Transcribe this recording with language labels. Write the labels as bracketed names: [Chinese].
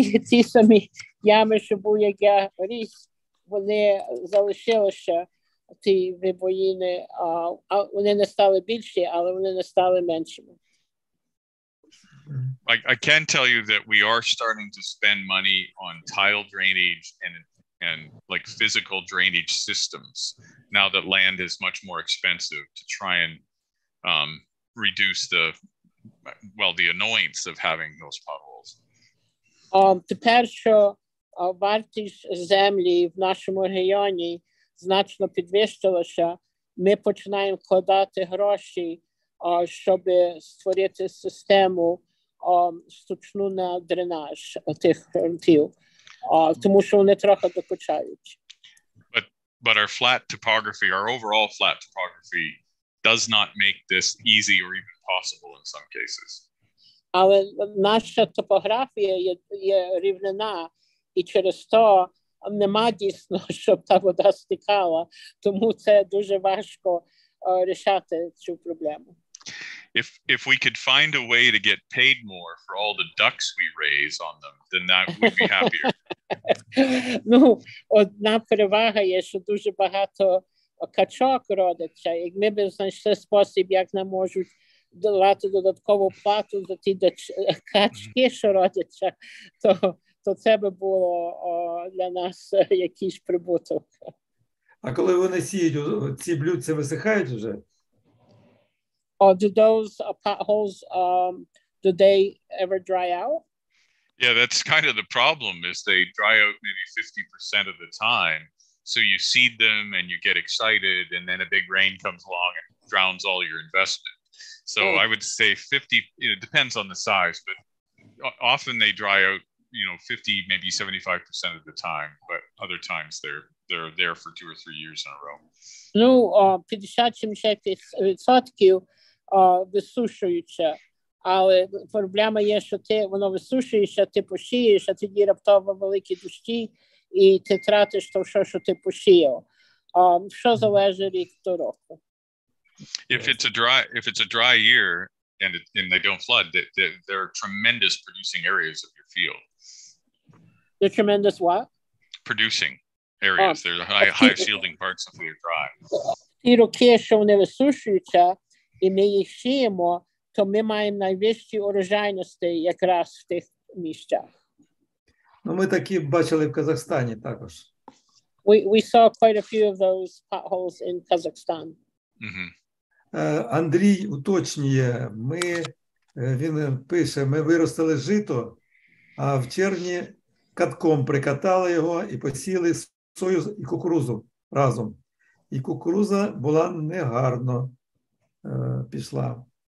[Ukrainian] Ті самі ями, що був, як я ріс, вони залишилися, ті вибоїни, вони не стали більші, але вони не стали меншими. [English] I can tell you that we are starting to spend money on tile drainage and like physical drainage systems now that land is much more expensive to try and reduce the annoyance of having those potholes. [Ukrainian] Тепер, що вартість землі в нашому регіоні значно підвищилася, ми починаємо вкладати гроші щоб створити систему штучну на дренаж тих ґрунтів, тому що вони трохи докучають. [English] But our flat topography, our overall flat topography, does not make this easy or even possible in some cases. [Ukrainian] Але наша топографія є рівнина, і через то нема дійсно, щоб та вода стікала, тому це дуже важко рішати цю проблему. [English] If we could find a way to get paid more for all the ducks we raise on them, then that would be happier. [Ukrainian] Ну, одна перевага є, що дуже багато качок родиться, і ми б знайшли спосіб, як нам можуть давати додаткову плату за ті качки, що родяться, то це би було для нас якийсь прибуток. А коли вони сіють, ці блюдця висихають вже? [English] Do those potholes, do they ever dry out? Yeah, that's kind of the problem, is they dry out maybe 50% of the time. So you seed them and you get excited, and then a big rain comes along and drowns all your investment. So mm. I would say 50, you know, it depends on the size, but often they dry out, you know, 50, maybe 75% of the time, but other times they're there for two or three years in a row. [Ukrainian] Ну, 50-70% висушуються, але проблема є, що воно висушується, ти посієш, а тоді раптово великі дощі, і ти тратиш то, що ти посіяв. Що залежить рік до року? [English] If it's a dry year and they don't flood, there are tremendous producing areas of your field. The tremendous what? Producing areas. There's high yielding parts if they're dry. [Ukrainian] Ті роки, що вони висушуються, і ми їх сіємо, то ми маємо найвищі урожайності якраз в тих місцях. Ну, ми такі бачили в Казахстані також. [English] We saw quite a few of those potholes in Kazakhstan. Mm-hmm. [Ukrainian] Андрій уточнює, він пише, ми виростили жито, а в червні катком прикатали його і посіяли сою і кукурузу разом. І кукуруза була негарно пішла.